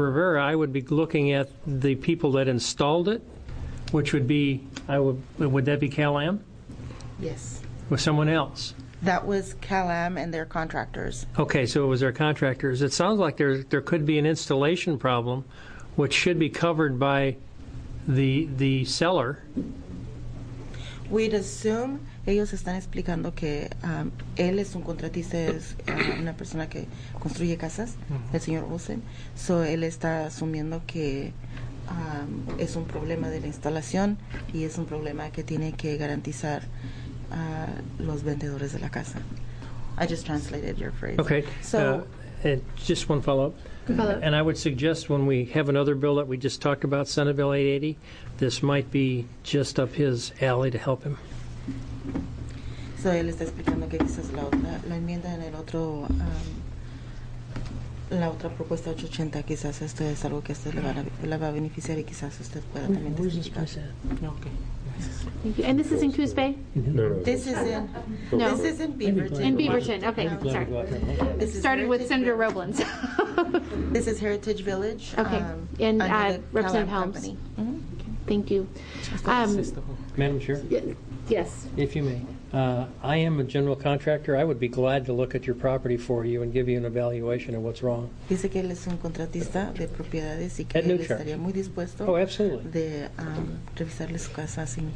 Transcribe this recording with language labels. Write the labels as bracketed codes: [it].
[en] Rivera, I would be looking at the people that installed it, which would be, would that be Cal-Am? Yes. With someone else? That was Cal-Am and their contractors. Okay, so it was their contractors. It sounds like there could be an installation problem, which should be covered by the seller. We'd assume... [es] Ellos están explicando que él es un contratista, es una persona que construye casas, el señor Olsen. So él está asumiendo que es un problema de la instalación y es un problema que tiene que garantizar los vendedores de la casa. [en] I just translated your phrase. Okay. So just one follow-up. And I would suggest when we have another bill that we just talked about, Senate Bill 880, this might be just up his alley to help him. [es] So él está explicando que quizás la enmienda en el otro la otra propuesta 880 quizás esto es algo que usted le va a beneficiar y quizás usted pueda también explicar. [en] Okay. Thank you. And this is in Coos Bay? This is in Beaverton. In Beaverton. Okay. Sorry. This started with Senator Roblin's. This is Heritage Village. Okay. And Representative Helms. Mm-hmm. Okay. Thank you. Madam Chair. Yes. If you may. I am a general contractor. I would be glad to look at your property for you and give you an evaluation of what's wrong. [es] Dice que él es un contratista de propiedades y que él estaría muy dispuesto de revisarle su casa sin...